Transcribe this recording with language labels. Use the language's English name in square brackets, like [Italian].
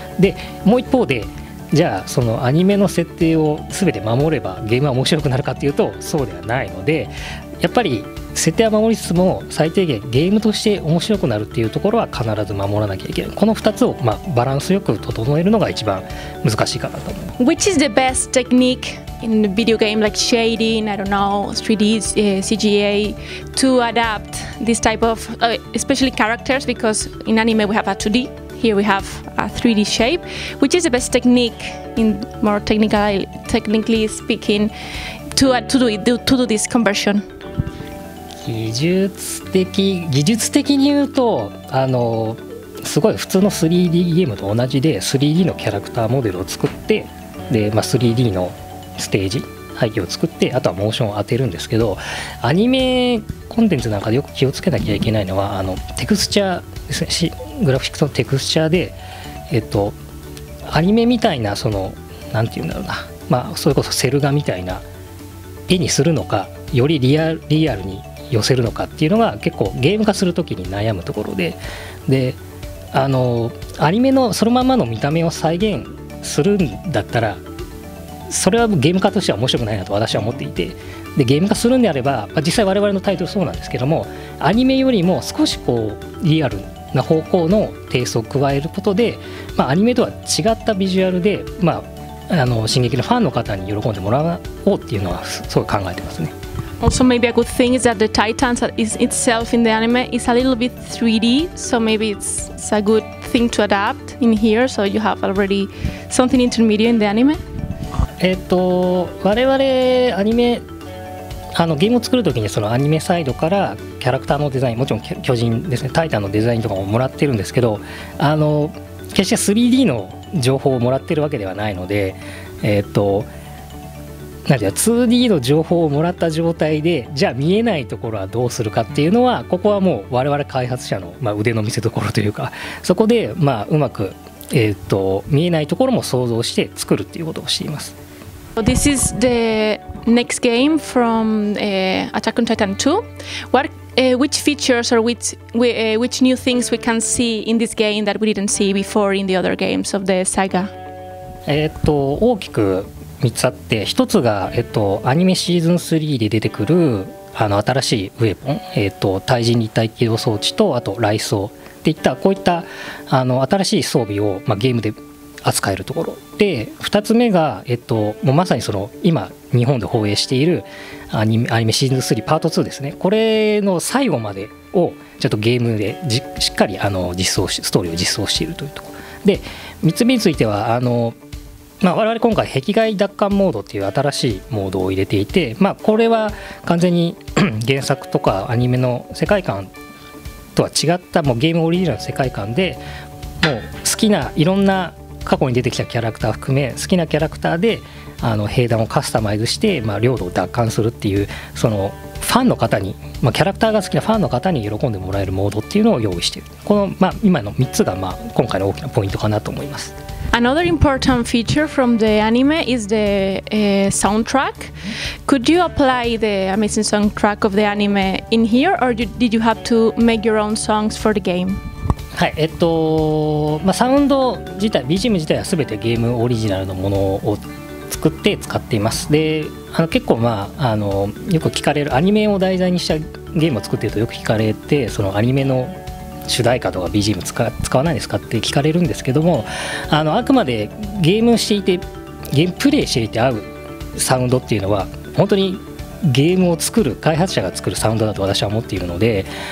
[Japanese] でもう一方でじゃあそのアニメの設定を全て守ればゲームは面白くなるかっていうとそうではないので、やっぱり設定は守りつつも最低限ゲームとして面白くなるっていうところは必ず守らなきゃいけない。この2つを、まあ、バランスよく整えるのが一番難しいかなと思います。 [English] Which is the best technique in the video game, like shading, I don't know, 3D, CGA, to adapt this type of, especially characters, because in anime we have a 2D, here we have a 3D shape. Which is the best technique, in more technically speaking, to do this conversion? [Japanese] 技術的に言うとあのすごい普通の 3D ゲームと同じで 3D のキャラクターモデルを作って、で、まあ、3D のステージ背景を作って、あとはモーションを当てるんですけど、アニメコンテンツなんかでよく気をつけなきゃいけないのはあのテクスチャーですね。グラフィックスのテクスチャーで、アニメみたいな、そのなんていうんだろうな、まあ、それこそセル画みたいな絵にするのか、よりリアルに寄せるのかっていうのが結構ゲーム化するときに悩むところで、であのアニメのそのままの見た目を再現するんだったら、それはゲーム化としては面白くないなと私は思っていて、でゲーム化するんであれば、まあ、実際我々のタイトルそうなんですけども、アニメよりも少しこうリアルな方向のテイストを加えることで、まあ、アニメとは違ったビジュアルで、まあ、あの進撃のファンの方に喜んでもらおうっていうのはすごい考えてますね。 [English] Also, maybe a good thing is that the Titans itself in the anime is a little bit 3D, so maybe it's a good thing to adapt in here, so you have already something intermediate in the anime? [Japanese] 我々アニメ、あのゲームを作るときにそのアニメサイドからキャラクターのデザイン、もちろん巨人ですね、タイタンのデザインとかももらってるんですけど、あの決して 3D の情報をもらってるわけではないので、なんか 2D の情報をもらった状態で、じゃあ見えないところはどうするかっていうのは、ここはもう我々開発者の、まあ、腕の見せ所というか、そこで、まあ、うまく、見えないところも想像して作るっていうことをしています。 [English] This is the next game from Attack on Titan 2. Which features or which new things we can see in this game that we didn't see before in the other games of the saga? [Japanese] 大きく3つあって、1つが、アニメシーズン3で出てくるあの新しいウェポン、対人立体機動装置と、あと雷装っていった、こういったあの新しい装備を、まあ、ゲームで扱えるところで、2つ目が、もうまさにその今日本で放映しているアニメシーズン3パート2ですね、これの最後までをちょっとゲームでしっかりあの実装し、ストーリーを実装しているというところで、3つ目についてはあのまあ、我々今回壁外奪還モードっていう新しいモードを入れていて、まあ、これは完全に原作とかアニメの世界観とは違った、もうゲームオリジナルの世界観で、もう好きないろんな過去に出てきたキャラクター含め好きなキャラクターであの兵団をカスタマイズして、まあ、領土を奪還するっていう、そのファンの方に、まあ、キャラクターが好きなファンの方に喜んでもらえるモードっていうのを用意している。この、まあ、今の3つが、まあ、今回の大きなポイントかなと思います。 [English] Another important feature from the anime is the soundtrack. Could you apply the amazing soundtrack of the anime in here, or did you have to make your own songs for the game? [Japanese] はい、まあ、サウンド自体、BGM 自体は全てゲームオリジナルのものを作って使っています。で、あの結構まあ、あのよく聞かれるアニメを題材にしたゲームを作っているとよく聞かれて、そのアニメの主題歌とか BGM 使わないですかって聞かれるんですけども、 あくまでゲームしていてゲームプレイしていて合うサウンドっていうのは本当にゲームを作る開発者が作るサウンドだと私は思っているので、